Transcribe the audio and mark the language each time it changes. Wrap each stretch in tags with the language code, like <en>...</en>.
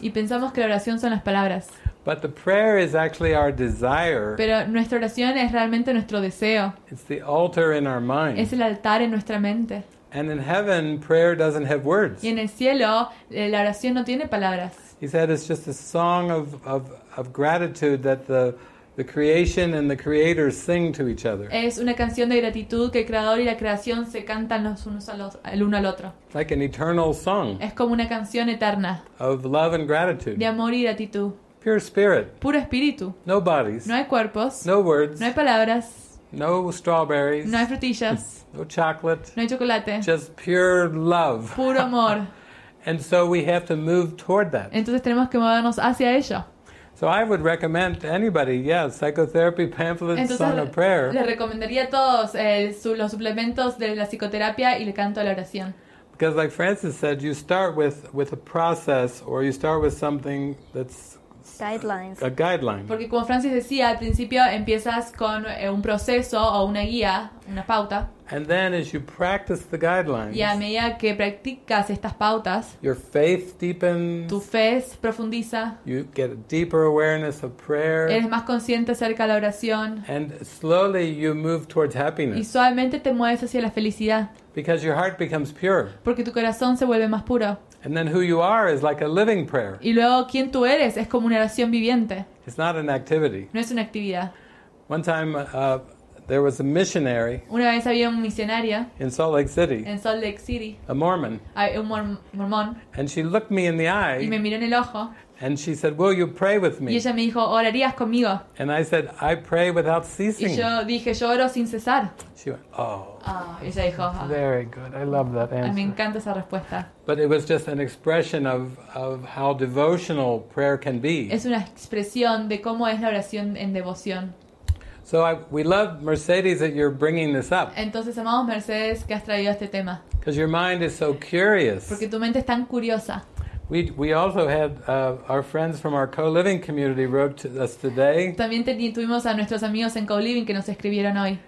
<es>Y pensamos que la oración son las palabras.</es> <en>But the prayer is actually our desire.</en> <es>Pero nuestra oración es realmente nuestro deseo.</es> <en>It's the altar in our mind.</en> <es>Es el altar en nuestra mente.</es> <en>And in heaven, prayer doesn't have words.</en> <es>Y en el cielo, la oración no tiene palabras.</es> <en>He said it's just a song of gratitude that the creation and the creator sing to each other.</en> <es>Es una canción de gratitud que el creador y la creación se cantan los unos a los el uno al otro.</es> <en>Like an eternal song.</en> <es>Es como una canción eterna.</es> <en>Of love and gratitude.</en> <es>De amor y gratitud.</es> <en>Pure spirit.</en> <es>Puro espíritu.</es> <en>No bodies.</en> <es>No hay cuerpos.</es> <en>No words.</en> <es>No hay palabras.</es> <en>No strawberries.</en> <es>No hay frutillas.</es> <en>No chocolate.</en> <es>No hay chocolate.</es> <en>Just pure love.</en> <es>Puro amor.</es> <en>And so we have to move toward that.</en> <es>Entonces tenemos que movernos hacia ello.</es> <en>So I would recommend to anybody, psychotherapy pamphlets,</en> <es>entonces,</es> <en>song of prayer.</en> <es>Le recomendaría a todos los suplementos de la psicoterapia y el canto a la oración.</es> <en>Because like Francis said, you start with a process or you start with something that's guidelines. A guideline.</en> <es>Porque como Francis decía, al principio empiezas con un proceso o una guía, una pauta.</es> <en>And then as you practice the guidelines,</en> <es>y a medida que practicas estas pautas,</es> <en>your faith deepens,</en> <es>tu fe profundiza,</es> <en>you get a deeper awareness of prayer,</en> <es>eres más consciente acerca de la oración,</es> <en>and slowly you move towards happiness,</en> <es>y suavemente te mueves hacia la felicidad,</es> <en>because your heart becomes pure,</en> <es>porque tu corazón se vuelve más puro,</es> <en>and then who you are is like a living prayer,</en> <es>y luego quién tú eres es como una oración viviente,</es> <en>it's not an activity,</en> <es>no es una actividad.</es> <en>One time, there was a missionary.</en> <es>Una vez había un misionario.</es> <en>In Salt Lake City.</en> <es>En Salt Lake City.</es> <en>A Mormon.</en> <es>Un mormón.</es> <en>And she looked me in the eye.</en> <es>Y me miró en el ojo.</es> <en>And she said, "Will you pray with me?"</en> <es>Y ella me dijo, "¿Orarías conmigo?"</es> <en>And I said, "I pray without ceasing."</en> <es>Y yo dije, "Yo oro sin cesar."</es> <en>She went, "Oh."</en> <es>Ella dijo,</es> <en>"Oh." Very good. I love that answer.</en> <es>Me encanta esa respuesta.</es> <en>But it was just an expression of how devotional prayer can be.</en> <es>Es una expresión de cómo es la oración en devoción.</es> <en>So we love Mercedes that you're bringing this up.</en> <es>Entonces amamos Mercedes que has traído este tema.</es> <en>Because your mind is so curious.</en> <es>Porque tu mente es tan curiosa.</es> <en>We also had our friends from our co-living community wrote to us today.</en> <es>También tuvimos a nuestros amigos en co-living que nos escribieron hoy.</es>